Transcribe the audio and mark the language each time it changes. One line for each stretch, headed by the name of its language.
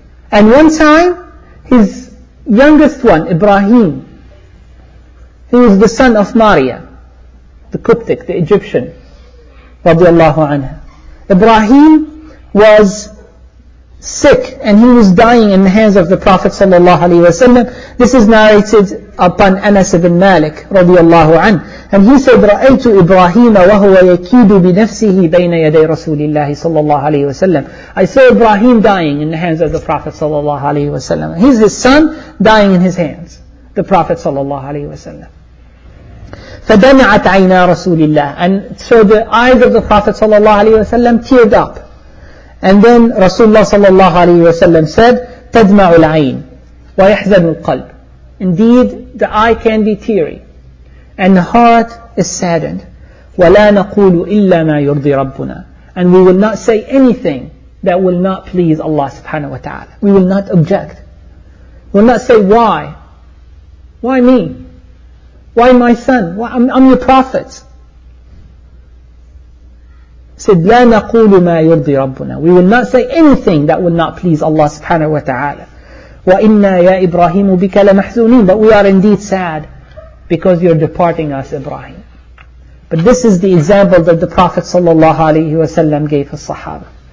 English: And one time, his youngest one, Ibrahim, he was the son of Maria, the Coptic, the Egyptian, radiallahu anha. Ibrahim was sick and he was dying in the hands of the Prophet sallallahu alayhi wa sallam. This is narrated upon Anas ibn Malik, radiallahu anha. And he said,
Arabic: رَأَيْتُ إِبْرَاهِيمَ وَهُوَ يَكِيدُ بِنَفْسِهِ بَيْنَ يَدَيْ رَسُولِ اللَّهِ صلى الله عليه وسلم.
English: I saw Ibrahim dying in the hands of the Prophet صلى الله عليه وسلم. He's his son dying in his hands, the Prophet صلى الله عليه وسلم.
Arabic: فَدَمَعَتْ عَيْنَا رَسُولِ اللَّهِ.
English: And so the eyes of the Prophet صلى الله عليه وسلم teared up. And then Rasulullah صلى الله عليه وسلم said,
Arabic: تَدْمَعُ الْعَيْنِ وَيَحْزَنُ الْقَلْبِ.
English: Indeed, the eye can be teary. And the heart is saddened.
Arabic: وَلَا نَقُولُ إِلَّا مَا يُرْضِي رَبُّنَا.
English: And we will not say anything that will not please Allah subhanahu wa ta'ala. We will not object. We will not say, why? Why me? Why my son? Why, I'm your prophet. Said,
Arabic: لَا نَقُولُ مَا يُرْضِي رَبُّنَا.
English: We will not say anything that will not please Allah subhanahu wa ta'ala.
Arabic: وَإِنَّا يَا إِبْرَاهِيمُ بِكَ لَمَحْزُونِينَ.
English: But we are indeed sad, because you're departing us, Ibrahim. But this is the example that the Prophet sallallahu alaihi wasallam gave his Sahaba.